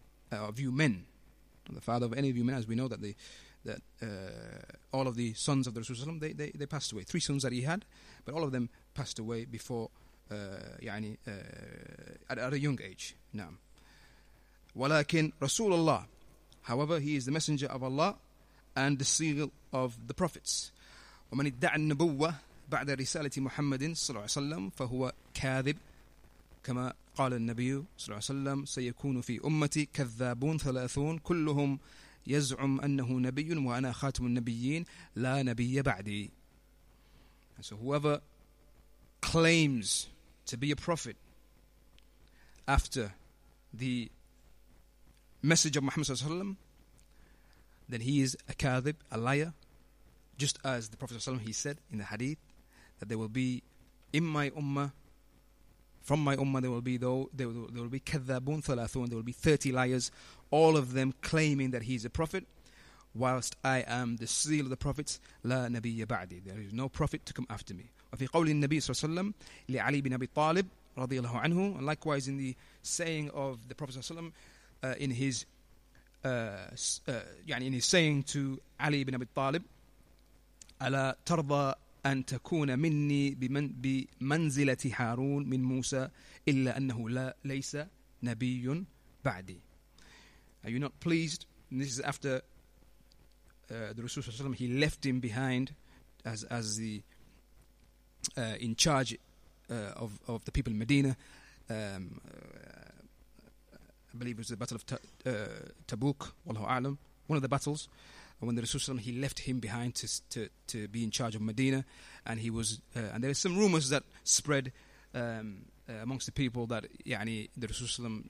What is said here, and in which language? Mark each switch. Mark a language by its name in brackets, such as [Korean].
[English] Of you men, the father of any of you men, as we know that all of the sons of the Rasulullah, they passed away. Three sons that he had, but all of them passed away before, at a young age. Naam. [Arabic] ولكن رسول الله [English] However, he is the messenger of Allah and the seal of the prophets. [Arabic] وَمَنِ ادَّعَ النَّبُوَّةِ بَعْدَ رِسَالَةِ مُحَمَّدٍ صَلَّى اللَّهُ عَلَيْهِ وَسَلَّمْ فَهُوَ كَاذِبٌ كما قال النبي صلى الله عليه وسلم سيكون في أمتي كذابون ثلاثون كلهم يزعم أنه نبي وأنا خاتم النبيين لا نبي بعدي. [English] And so whoever claims to be a prophet after the message of Muhammad صلى الله عليه وسلم, then he is a kathib, a liar, just as the Prophet صلى الله عليه وسلم, he said in the hadith that there will be in my ummah, from my ummah, there will be [Arabic] kathabun thalathun, [English] there will be 30 liars, all of them claiming that he is a prophet, whilst I am the seal of the prophets, [Arabic] لا نبي بعدي, [English] there is no prophet to come after me. [Arabic] وفي قول النبي صلى الله عليه وسلم لعلي بن أبي طالب رضي الله عنه, [English] and likewise in the saying of the Prophet صلى الله عليه وسلم, in his saying to Ali ibn Abi Talib, [Arabic] ألا ترضى أن تكون مني بمنزلة هارون من موسى إلا أنه لا ليس نبي بعدي. [English] Are you not pleased? And this is after the Rasul صلى الله عليه وسلم, he left him behind as the in charge of the people in Medina. I believe it was the battle of Tabuk, wallahu a'lam, one of the battles, when the Rasul, he left him behind to be in charge of Medina, and he was and there are some rumors that spread amongst the people that yani the Rasul